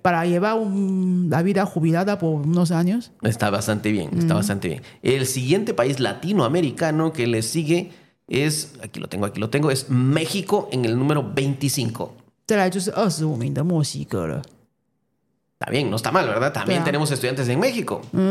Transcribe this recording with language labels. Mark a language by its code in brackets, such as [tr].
[es] Para llevar la vida jubilada por unos años. Está bastante bien, bastante bien. El siguiente país latinoamericano que le sigue es, aquí lo tengo, es México en el número 25. [zh] 再来就是25名的墨西哥了。 [es] Está bien, no está mal, ¿verdad? También tenemos estudiantes en México.